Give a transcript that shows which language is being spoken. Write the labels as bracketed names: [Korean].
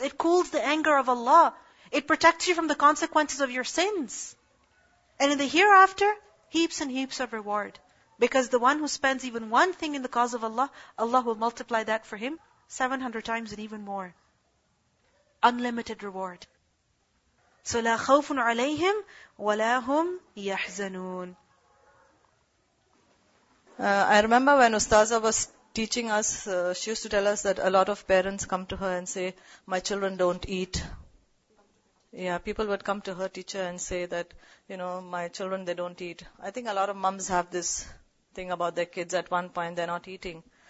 [English] It cools the anger of Allah. It protects you from the consequences of your sins. And in the hereafter, heaps and heaps of reward. Because the one who spends even one thing in the cause of Allah, Allah will multiply that for him 700 times and even more. Unlimited reward. So [Arabic] لا خوف عليهم ولا هم يحزنون. [English] I remember when Ustaza was teaching us, she used to tell us that a lot of parents come to her and say, my children don't eat. Yeah, people would come to her teacher and say that, you know, my children, they don't eat. I think a lot of moms have this thing about their kids, at one point they're not eating.